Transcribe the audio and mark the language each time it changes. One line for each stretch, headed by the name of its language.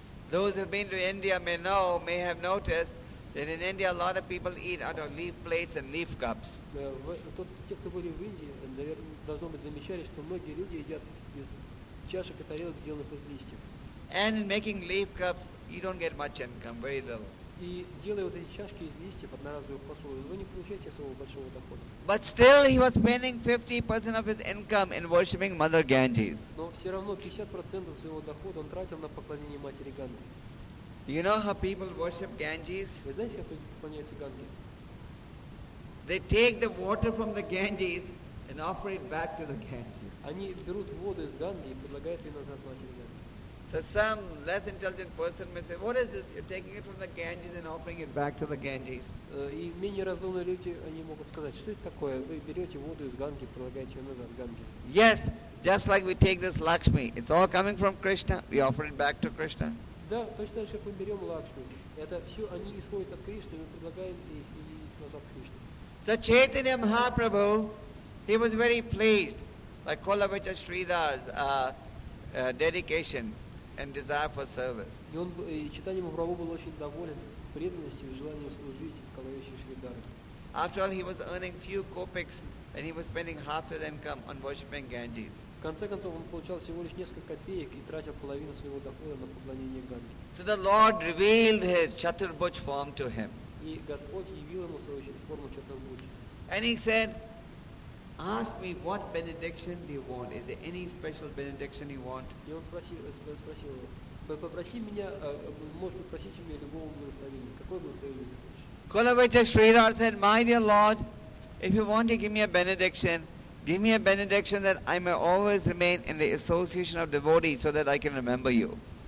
English: Those who have been to India may have noticed that in India a lot of people eat out of leaf plates and leaf cups.
Russian: Те, кто были в Индии, наверное, должно быть замечали, что многие люди едят из чашек и тарелок, сделанных из листьев.
English: And in making leaf cups, you don't get much income, very little.
Russian: И делая вот эти чашки из листьев одноразовую посуду, вы не получаете особого большого дохода.
English: But still he was spending 50% of his income in worshipping Mother Ganges.
Russian: Но все равно 50% своего дохода он тратил на поклонение матери Ганги.
English: Do you know how people worship Ganges?
Russian: Вы знаете, как люди поклоняются Ганге?
English: They take the water from the Ganges and offer it back to the Ganges.
Russian: Они берут воду из Ганги и предлагают ее назад матери Ганги.
English: So some less intelligent person may say, what is this? You're taking it from the Ganges and offering it back to the Ganges.
Russian: И менее разумные люди, они могут сказать, что это такое? Вы берете воду из Ганги, предлагаете ее назад Ганге.
English: Yes, just like we take this Lakshmi. It's all coming from Krishna. We offer it back to Krishna.
Russian: Да, точно так же, как мы берем Лакшми. Это все, они исходят от Кришны, мы предлагаем их назад Кришне.
English: So Chaitanya Mahaprabhu, he was very pleased by Kolavecha Sridhar's dedication. And desire for service.
Russian: И он читанием Махапрабху был очень доволен преданностью и желанием служить Колавеча Шридхара.
English: After all, he was earning few copecks, and he was spending half his income on worshiping Ganges.
Russian: В конце концов, он получал всего лишь несколько копеек и тратил половину своего дохода на поклонение Ганге.
English: So the Lord revealed his Chaturbhuj form to him.
Russian: И Господь явил ему свою форму Чатурбхуджа.
English: And he said, ask me what benediction do you want? Is there any special benediction you want?
Russian: И он спросил его, попроси меня, можешь попросить у меня любого благословения. Какое благословение ты хочешь?
English: Kolavecha Sridhar said, my dear Lord, if you want to give me a benediction, Give me a benediction that I may always remain in the association of devotees so that I can remember you.